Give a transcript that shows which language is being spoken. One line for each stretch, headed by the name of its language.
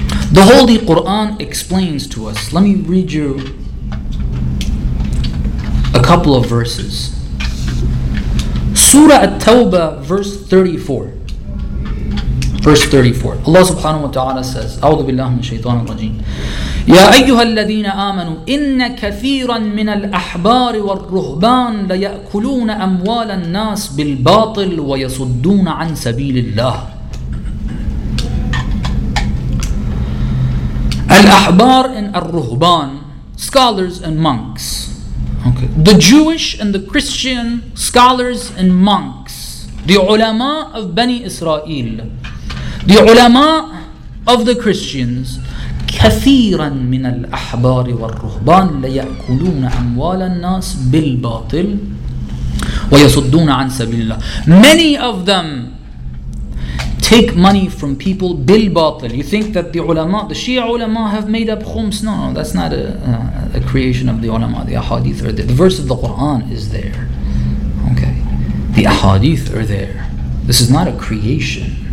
English: The Holy Quran explains to us. Let me read you a couple of verses. Surah At-Tawbah, verse 34. 34. Allah subhanahu wa ta'ala says,
Arabic: أعوذ بالله من الشيطان الرجيم. يا أيها الذين آمنوا إن كثيرا من الأحبار والرهبان ليأكلون أموال الناس بالباطل ويصدون عن سبيل الله.
English: Al-Ahbar and Ar-Ruhban, scholars and monks. Okay. The Jewish and the Christian scholars and monks. The ulama of Bani Israel. The ulama of the Christians.
Arabic: كثيراً من الأحبار والرهبان ليأكلون أموال الناس بالباطل ويصدون عن سبيل الله.
English: Many of them take money from people bil batil. You think that the ulama, the Shia ulama, have made up khums? No, that's not a creation of the ulama. The ahadith are there. The verse of the Quran is there. Okay. The ahadith are there. This is not a creation.